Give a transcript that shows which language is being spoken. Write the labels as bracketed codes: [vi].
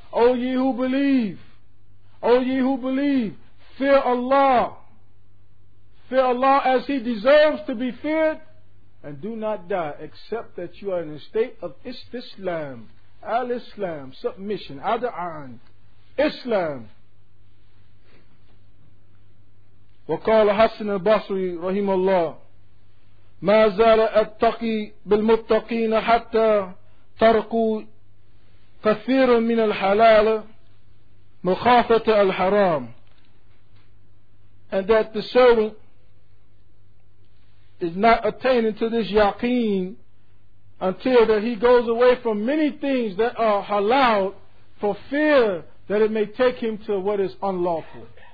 [en] O ye who believe, O ye who believe, fear Allah as He deserves to be feared, and do not die except that you are in a state of Islam, al-Islam, submission, ad'an, Islam. [ar] وقال حسن البصري رحمه الله ما زال التقي بالمتقين حتى ترقوا كثيرا من الحلال مخافة الحرام. [en] And that the servant is not attaining to this yaqeen until that he goes away from many things that are halal for fear that it may take him to what is unlawful.